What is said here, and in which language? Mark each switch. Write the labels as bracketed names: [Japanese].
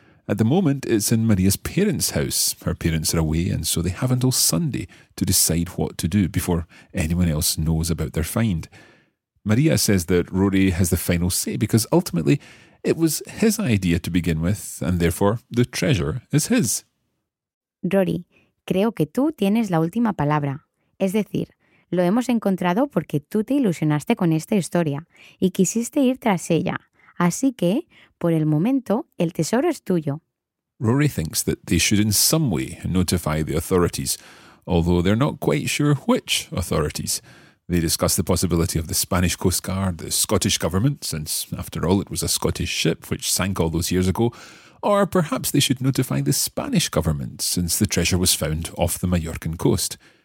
[English] At the moment, it's in Maria's parents' house. Her parents are away, and so they have until Sunday to decide what to do before anyone else knows about their find. Maria says that Rory has the final say because ultimately it was his idea to begin with, and therefore the treasure is his. [Spanish] Rory, creo que tú tienes la última palabra. Es decir, lo hemos encontrado porque tú te ilusionaste con esta historia y quisiste ir tras ella. Así que, por el momento, el tesoro es tuyo. [English] Rory thinks that they should in some way notify the authorities, although they're not quite sure which authorities. They discuss the possibility of the Spanish Coast Guard, the Scottish government, since, after all, it was a Scottish ship which sank all those years ago, or perhaps they should notify the Spanish government, since the treasure was found off the Mallorcan coast.